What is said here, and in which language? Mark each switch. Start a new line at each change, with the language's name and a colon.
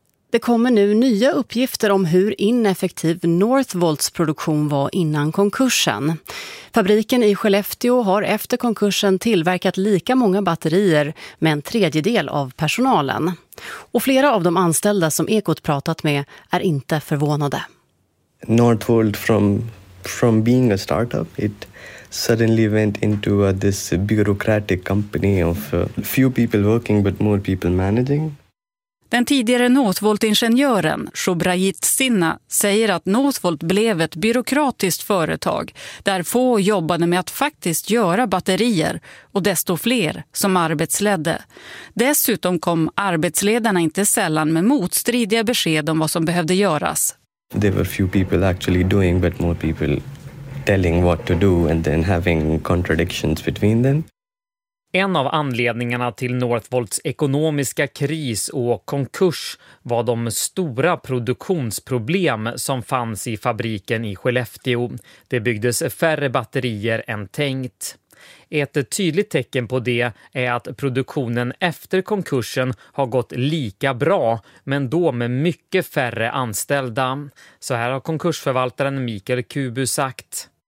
Swedish: Det kommer nu nya uppgifter om hur ineffektiv Northvolts produktion var innan konkursen. Fabriken i Skellefteå har efter konkursen tillverkat lika många batterier med en tredjedel av personalen. Och flera av de anställda som Ekot pratat med är inte förvånade.
English: Northvolt from being a startup, it suddenly went into this bureaucratic company of few people working but more people managing.
Swedish: Den tidigare Northvolt-ingenjören Shobrajit Sinna säger att Northvolt blev ett byråkratiskt företag där få jobbade med att faktiskt göra batterier och desto fler som arbetsledde. Dessutom kom arbetsledarna inte sällan med motstridiga besked om vad som behövde göras.
English: There were few people actually doing but more people telling what to do and then having contradictions between them.
Swedish: En av anledningarna till Northvolts ekonomiska kris och konkurs var de stora produktionsproblem som fanns i fabriken i Skellefteå. Det byggdes färre batterier än tänkt. Ett tydligt tecken på det är att produktionen efter konkursen har gått lika bra, men då med mycket färre anställda. Så här har konkursförvaltaren Mikael Kubu sagt.